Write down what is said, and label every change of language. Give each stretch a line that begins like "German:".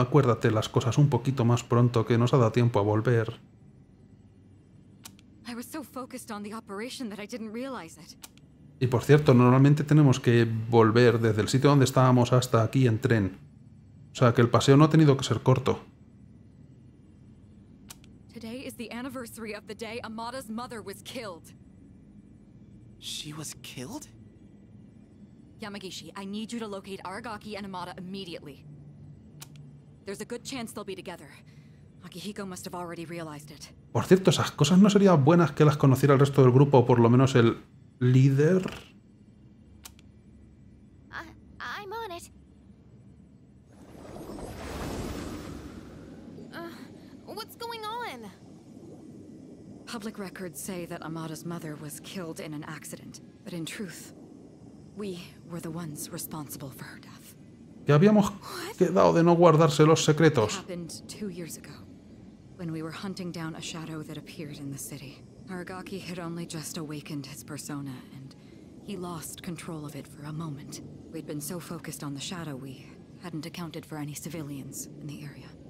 Spanish: Acuérdate las cosas un poquito más pronto, que nos ha dado tiempo a volver.
English: I was so focused on the operation that I didn't realize it.
Spanish: Y por cierto, normalmente tenemos que volver desde el sitio donde estábamos hasta aquí en tren. O sea, que el paseo no ha tenido que ser corto.
English: Today is the anniversary of the day Amada's mother was killed. She was killed? Yamagishi, I need you to locate Aragaki and Amada immediately. There's a good chance they'll be together. Akihiko must have already realized it.
Spanish: Por cierto, esas cosas no serían buenas que las conociera el resto del grupo, o por lo menos el líder.
English: I'm on it. What's going on? Public records say that Amada's mother was killed in an accident, but in truth, we were the ones responsible for her death.
Spanish: Que habíamos quedado de no guardarse los secretos.
English: Happened 2 years ago, when we were hunting down a shadow that appeared in the city. Aragaki had only just awakened his persona, and he lost control of it for a moment. We'd been so focused on the shadow, we hadn't accounted for any civilians in the area.